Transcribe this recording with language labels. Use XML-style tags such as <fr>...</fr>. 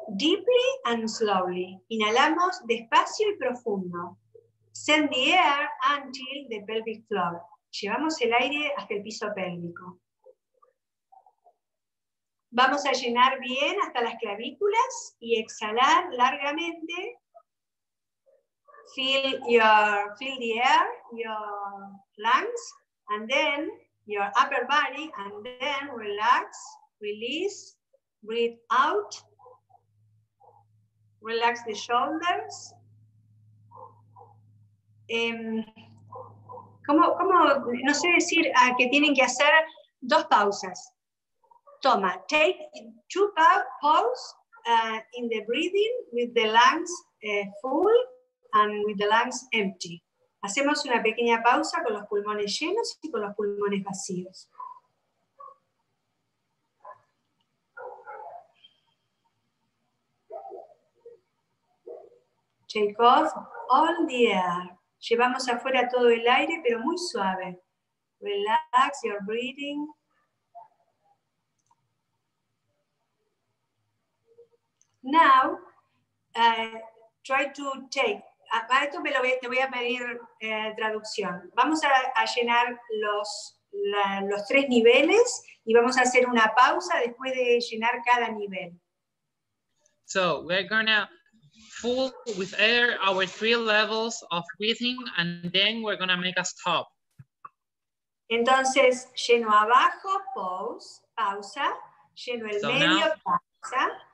<en>deeply and slowly.</en> <es>Inhalamos despacio y profundo.</es> <en>Send the air until the pelvic floor.</en> <es>Llevamos el aire hasta el piso pélvico. Vamos a llenar bien hasta las clavículas y exhalar largamente.</es> <en>Feel the air, your lungs, and then your upper body, and then relax, release, breathe out. Relax the shoulders.</en> <es>¿Cómo? No sé decir que tienen que hacer dos pausas.</es> <en>Toma, take two pause in the breathing with the lungs full and with the lungs empty.</en> <es>Hacemos una pequeña pausa con los pulmones llenos y con los pulmones vacíos.</es> <en>Take off all the air.</en> <es>Llevamos afuera todo el aire, pero muy suave.</es> <en>Relax your breathing. Now, try to take.</en> <es>A esto me lo voy, te voy a pedir traducción. Vamos a llenar los tres niveles y vamos a hacer una pausa después de llenar cada nivel.</es> <en>So, we're gonna full with air our three levels of breathing and then we're gonna make a stop.</en> <es>Entonces, lleno abajo, pausa, lleno el so medio, pausa.</es>